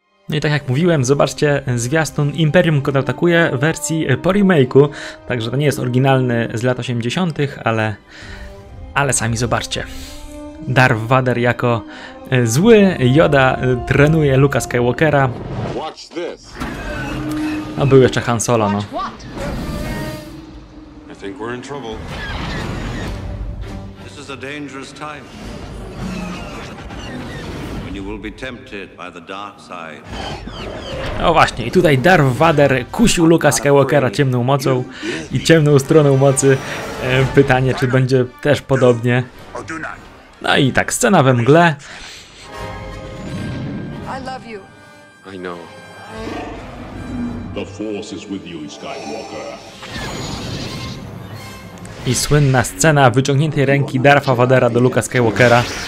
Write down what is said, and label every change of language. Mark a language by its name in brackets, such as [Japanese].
[Polish] No i tak jak mówiłem, zobaczcie zwiastun Imperium kontratakuje w wersji po remake'u, także to nie jest oryginalny z lat 80., ale sami zobaczcie. Darth Vader jako zły, Yoda trenuje Luka Skywalkera. [English] Watch this. [Polish] No był jeszcze Han Solo, no. [English] I think we're in trouble. This is a dangerous time. You will be tempted by the dark side. [Polish] No właśnie, i tutaj Darth Vader kusił Luka Skywalkera ciemną mocą i ciemną stroną mocy. Pytanie, czy będzie też podobnie. No i tak, scena we mgle. [English] I love you. I know. The force is with you, Skywalker. [Polish] I słynna scena wyciągniętej ręki Dartha Vadera do Luka Skywalkera.